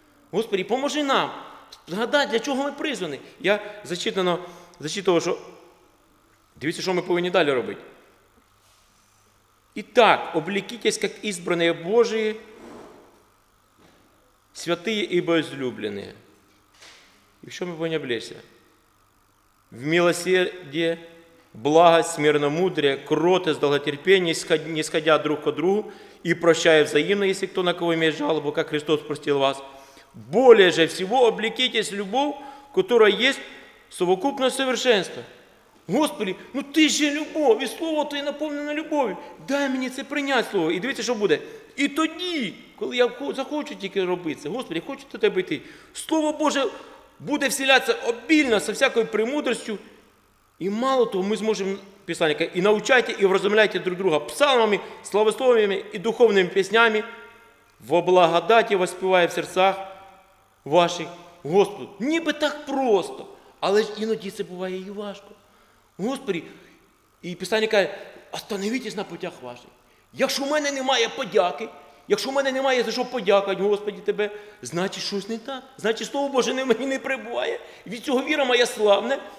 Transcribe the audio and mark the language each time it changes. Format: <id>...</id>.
<uk>Господі, поможи нам згадати, для чого ми призвані. Я зачитував, що дивіться, що ми повинні далі робити. І так, облікітесь, як ізбране Божі, святі і безлюблені.</uk> <ru>И в чем мы будем облечься? В милосердие, благость, смирномудрие, кротость, долготерпение, нисходя друг к другу и прощая взаимно, если кто на кого имеет жалобу, как Христос простил вас. Более же всего облекитесь в любовь, которая есть совокупное совершенство. Господи, ну ты же любовь, и слово твое наполнено любовью. Дай мне это принять слово.</ru> <uk>И дивіться,</uk> <ru>что будет. И тогда, когда я захочу только делать это, Господи, я хочу до тебя идти, слово Божие будет вселяться обильно со всякой премудростью. И мало того, мы сможем, писание, и научайте, и вразумляйте друг друга псалмами, славословиями и духовными песнями, во благодати воспевая в сердцах ваших Господу.</ru> <uk>Не бы так просто, але ж іноді це буває і важко. Господи, і писання каже, остановитесь на путях ваших. Якщо в мене немає подяки, якщо в мене немає за що подякувати Господи тебе, значить щось не так. Значить Слово Боже не в мені не прибуває. Від цього віра моя славна.</uk>